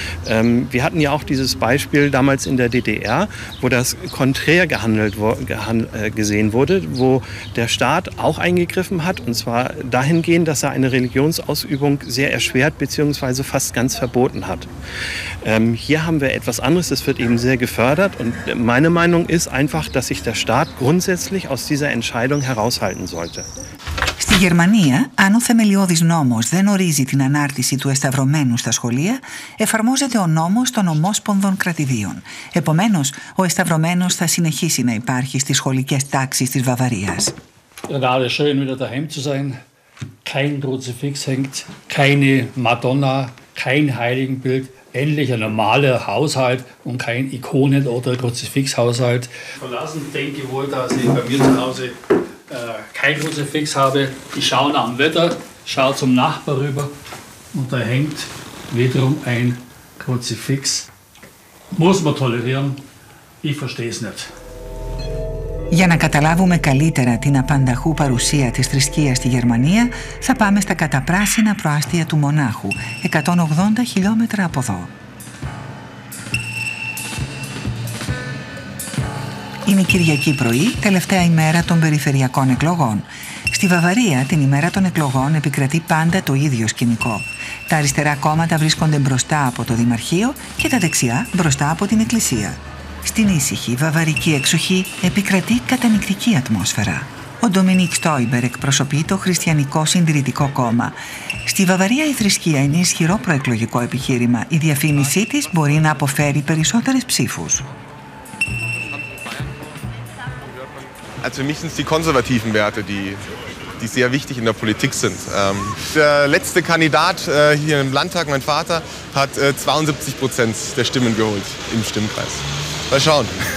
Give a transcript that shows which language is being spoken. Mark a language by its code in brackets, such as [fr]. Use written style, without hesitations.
[de] Wir hatten ja auch dieses Beispiel damals in der DDR, wo das konträr gesehen wurde, wo der Staat auch eingegriffen hat, und zwar dahingehend, dass er eine Religionsausübung sehr erschwert bzw. fast ganz verboten hat. Hier haben wir etwas anderes, das wird eben sehr gefördert, und meine Meinung ist einfach, dass sich der Staat grundsätzlich aus dieser Entscheidung heraushalten sollte. [el] Στη Γερμανία, αν ο θεμελιώδης νόμος δεν ορίζει την ανάρτηση του εσταυρωμένου στα σχολεία, εφαρμόζεται ο νόμος των ομόσπονδων κρατηδίων. Επομένως, ο εσταυρωμένος θα συνεχίσει να υπάρχει στις σχολικές τάξεις της Βαβαρίας. [de] Gerade schön wieder daheim zu sein. Kein Kruzifix hängt, keine Madonna, kein Heiligenbild. Endlich ein normaler Haushalt und kein Ikonen- oder Kruzifixhaushalt. Verlassen denke ich wohl, dass ich bei mir zu Hause kein Kruzifix habe. Ich schaue nach dem Wetter, schaue zum Nachbar rüber und da hängt wiederum ein Kruzifix. Muss man tolerieren, ich verstehe es nicht. [el] Για να καταλάβουμε καλύτερα την απανταχού παρουσία της θρησκείας στη Γερμανία, θα πάμε στα καταπράσινα προάστια του Μονάχου, 180 χιλιόμετρα από εδώ. Είναι Κυριακή πρωί, τελευταία ημέρα των περιφερειακών εκλογών. Στη Βαυαρία, την ημέρα των εκλογών, επικρατεί πάντα το ίδιο σκηνικό. Τα αριστερά κόμματα βρίσκονται μπροστά από το Δημαρχείο και τα δεξιά μπροστά από την Εκκλησία. Στην ήσυχη βαυαρική εξοχή επικρατεί κατανυκτική ατμόσφαιρα. Ο Ντομινίκ Στόιμπερ εκπροσωπεί το Χριστιανικό Συντηρητικό Κόμμα. Στη Βαυαρία η θρησκεία είναι ισχυρό προεκλογικό επιχείρημα. Η διαφήμισή της μπορεί να αποφέρει περισσότερες ψήφους. [de] Also für mich sind es die konservativen Werte, die sehr wichtig in der Politik sind. Der letzte Kandidat hier im Landtag, mein Vater, hat 72% der Stimmen geholt im Stimmkreis. Mal schauen.